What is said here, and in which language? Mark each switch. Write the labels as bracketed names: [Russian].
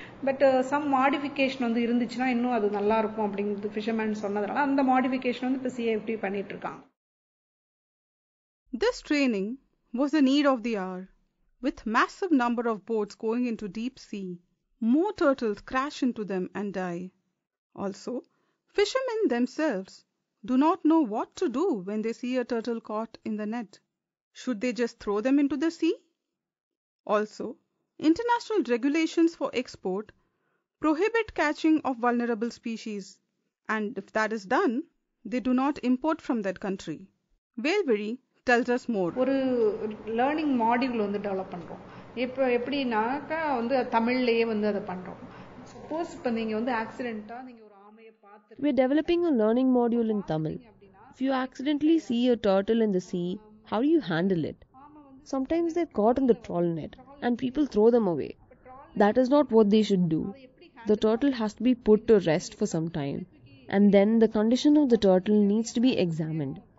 [English] But some modification [Tamil] வந்து இருந்துச்சுனா இன்னும் அது நல்லா இருக்கும் அப்படிங்கிறது ஃபிஷர்மேன் சொன்னதுனால அந்த மாடிஃபிகேஷன் வந்து இப்போ CIFT பண்ணிட்டு இருக்காங்க. [English] This training was a need of the hour. With massive number of boats going into deep sea, more turtles crash into them and die. Also, fishermen themselves do not know what to do when they see a turtle caught in the net. Should they just throw them into the sea? Also, international regulations for export prohibit catching of vulnerable species, and if that is done, they do not import from that country. Velvery tells us more. [Tamil] ஒரு learning module வந்து develop பண்றோம். இப்போ எப்படினாக்க வந்து தமிழ்லயே வந்து அதை பண்றோம். Suppose இப்போ நீங்க வந்து ஆக்சிடென்ட்டா நீங்க ஒரு ஆமையை பார்த்து. [English] We are developing a learning module in Tamil. If you accidentally see a turtle in the sea, how do you handle it? Sometimes they're caught in the trawl net and people throw them away. That is not what they should do. The turtle has to be put to rest for some time, and then the condition of the turtle needs to be examined.